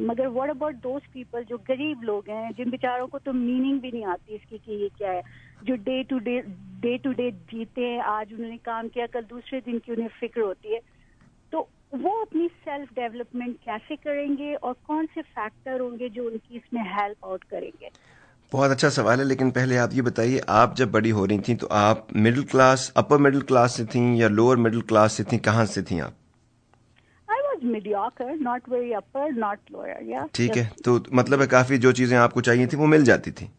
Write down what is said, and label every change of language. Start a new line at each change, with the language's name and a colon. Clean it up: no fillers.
Hindi: मगर
English: what about those people
Hindi: जो गरीब लोग हैं, जिन बेचारों को तो मीनिंग भी नहीं आती इसकी कि ये क्या है, जो डे टू डे जीते हैं, आज उन्होंने काम किया, कल दूसरे दिन की उन्हें फिक्र होती है, तो वो अपनी सेल्फ डेवलपमेंट कैसे करेंगे और कौन से फैक्टर होंगे जो उनकी इसमें हेल्प आउट करेंगे? बहुत अच्छा सवाल है, लेकिन पहले आप ये बताइए, आप जब बड़ी हो रही थी तो आप middle class, upper middle class से थी या लोअर मिडिल क्लास से थी, कहाँ से थी आप?
English: I was mediocre, not very upper, not lower, yeah.
Hindi: ठीक है, तो मतलब है काफी जो चीजें आपको चाहिए थी वो मिल जाती थी।